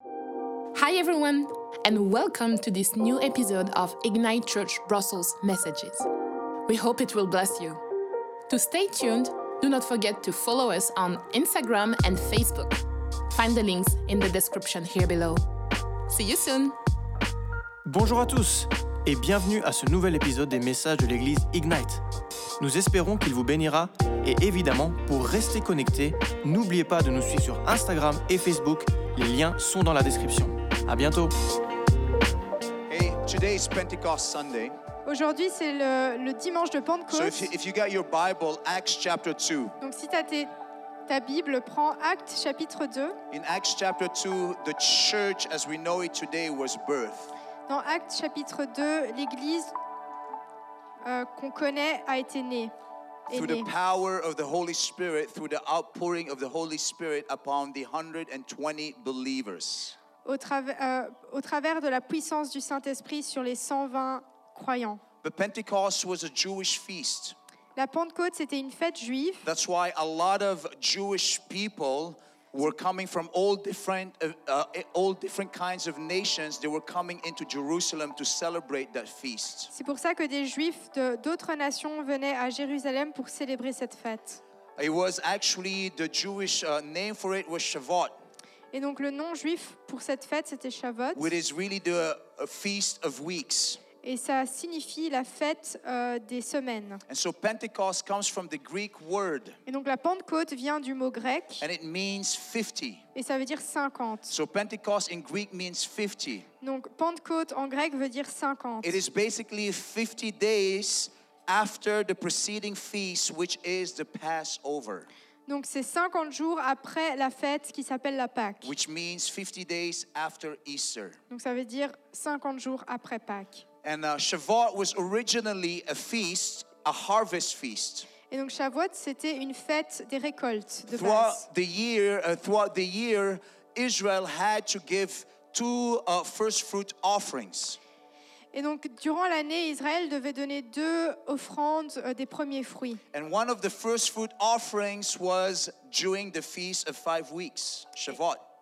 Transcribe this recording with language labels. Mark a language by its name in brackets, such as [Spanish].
[English] Hi everyone, and welcome to this new episode of Ignite Church Brussels Messages. We hope it will bless you. To stay tuned, do not forget to follow us on Instagram and Facebook. Find the links in the description here below. See you soon! [French] Bonjour à tous, et bienvenue à ce nouvel épisode des messages de l'église Ignite. Nous espérons qu'il vous bénira, et évidemment, pour rester connecté, n'oubliez pas de nous suivre sur Instagram et Facebook. Les liens sont dans la description. À bientôt. [English] Hey, today is Pentecost Sunday. [French] Aujourd'hui, c'est le dimanche de Pentecôte. [English] So if you got your Bible, Acts chapter 2. [French] Donc si tu as ta Bible, prends Actes chapitre 2. [English] In Acts chapter 2, the church as we know it today was birthed. [French] Dans Actes chapitre 2, l'église qu'on connaît a été née. [English] Through the power of the Holy Spirit, through the outpouring of the Holy Spirit upon the 120 believers. [French] Au travers de la puissance du Saint-Esprit sur les 120 croyants. [English] The Pentecost was a Jewish feast. [French] La Pentecôte, c'était une fête juive. [English] That's why a lot of Jewish people were coming from all different kinds of nations. They were coming into Jerusalem to celebrate that feast. [French] C'est pour ça que des Juifs d'autres nations venaient à Jérusalem pour célébrer cette fête. [English] It was actually the Jewish name for it was Shavuot. [French] Et donc le nom juif pour cette fête c'était Shavuot. [English] Which is really the feast of weeks. [French] Et ça signifie la fête des semaines. [English] And so Pentecost comes from the Greek word. [French] Et donc la Pentecôte vient du mot grec. [English] And it means 50. [French] Et ça veut dire 50. [English] So Pentecost in Greek means 50. [French] Donc Pentecôte en grec veut dire 50. [English] It is basically 50 days after the preceding feast, which is the Passover. [French] Donc c'est 50 jours après la fête qui s'appelle la Pâque. [English] Which means 50 days after Easter. [French] Donc ça veut dire 50 jours après Pâques. [English] And Shavuot was originally a feast, a harvest feast. [French] Et donc Shavuot, c'était une fête des récoltes de [English] throughout base. Throughout the year, Israel had to give two first fruit offerings. [French] Et donc durant l'année, Israël devait donner deux offrandes des premiers fruits. [English] And one of the first fruit offerings was during the feast of 5 weeks, Shavuot.